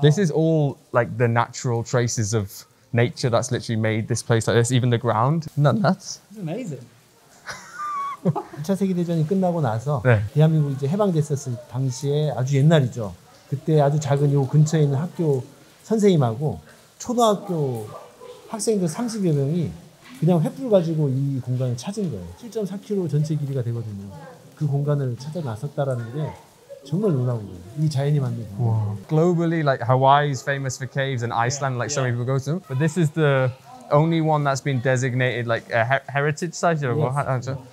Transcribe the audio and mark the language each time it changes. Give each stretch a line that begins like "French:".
English: This is all like the natural traces of nature that's literally made this place like this, even the ground. Isn't that nuts? It's amazing.
Korean: 2차 세계대전이 끝나고 나서 네. 대한민국이 이제 해방됐었을 당시에 아주 옛날이죠. 그때 아주 작은 요 근처에 있는 학교 선생님하고 초등학교 학생들 30여 명이 그냥 횃불 가지고 이 공간을 찾은 거예요. 7.4km 전체 길이가 되거든요. 그 공간을 찾아 나섰다라는 게 정말 놀라운 거예요. 이 자연이 만든 거예요.
English: Globally, like Hawaii is famous for caves and Iceland, yeah. like so many people go to them. But this is the only one that's been designated like a heritage site or yes.